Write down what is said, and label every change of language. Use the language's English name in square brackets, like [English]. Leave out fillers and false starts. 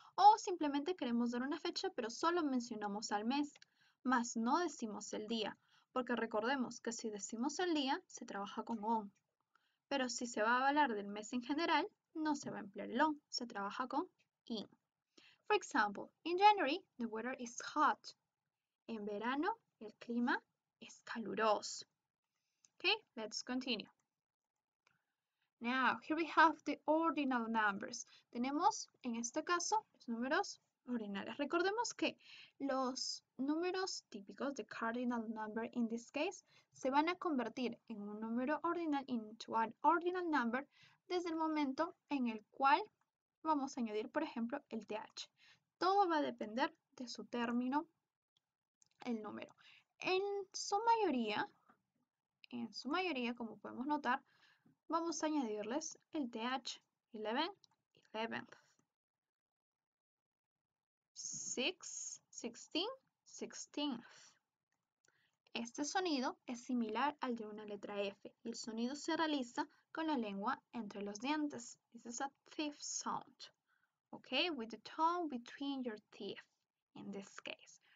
[Spanish] O simplemente queremos dar una fecha, pero solo mencionamos al mes, mas no decimos el día. Porque recordemos que si decimos el día, se trabaja con on. Pero si se va a hablar del mes en general, no se va a emplear el on, se trabaja con in. [English] For example, in January, the weather is hot. [Spanish] En verano, el clima es caluroso. [English] Okay, let's continue. Now, here we have the ordinal numbers. [Spanish] Tenemos en este caso los números ordinales. Recordemos que los números típicos, [English] the cardinal number in this case, [Spanish] se van a convertir en un número ordinal, [English] into an ordinal number, [Spanish] desde el momento en el cual vamos a añadir, por ejemplo, el th. Todo va a depender de su término, el número. En su mayoría, como podemos notar, vamos a añadirles el th, 11, 11th, 6, 16, 16th. Este sonido es similar al de una letra F. El sonido se realiza con la lengua entre los dientes. [English] This is a fifth sound. Okay, with the tongue between your teeth, in this case.